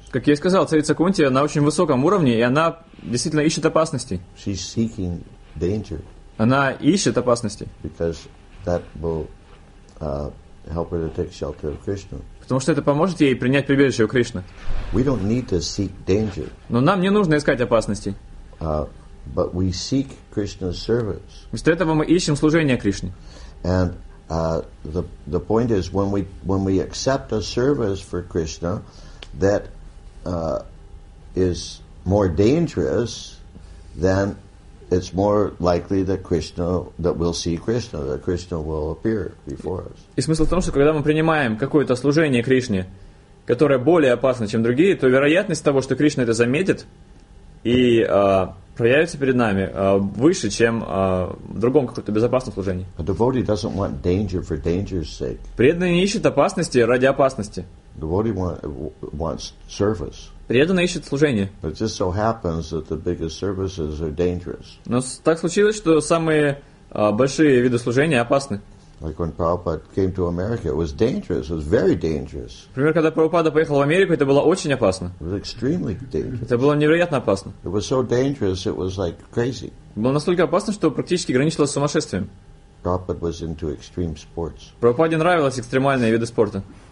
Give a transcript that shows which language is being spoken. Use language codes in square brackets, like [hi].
[ru] Как я сказал, царица Кунти на очень высоком уровне, и она действительно ищет опасности. [en] She's seeking danger. [ru] Она ищет опасности. [en] Because that will help her to take shelter of Krishna. [ru] Потому что это поможет ей принять прибежище у Кришны. [en] We don't need to seek danger. [ru] Но нам не нужно искать опасности. [en] But we seek Krishna's service. [ru] Вместо этого мы ищем служение Кришне. [en] And the point is when we accept a service for Krishna that is more dangerous, then it's more likely that Krishna that we'll see Krishna, that Krishna will appear before us. [ru] И смысл в том, что когда мы принимаем какое-то служение Кришне, которое более опасно, чем другие, то вероятность того, что Кришна это заметит и проявится перед нами выше, чем в другом каком-то безопасном служении. [en] A devotee doesn't want danger for danger's sake. [ru] Преданный не ищет опасности ради опасности. [en] A devotee wants service. [ru] Преданный ищет служение. [en] But it just so happens that the biggest services are dangerous. [ru] Но так случилось, что самые большие виды служения опасны. [en] Like when Prabhupada came to America, it was dangerous. It was very dangerous. [ru] Например, когда Прабхупада поехал в Америку, это было очень опасно. [en] It was extremely dangerous. [ru] Это было невероятно опасно. [en] It was so dangerous, it was like crazy. [ru] Было настолько опасно, что практически граничило с сумасшествием. [en] Prabhupada was into extreme sports. [ru] Прабхупаде нравились экстремальные виды спорта.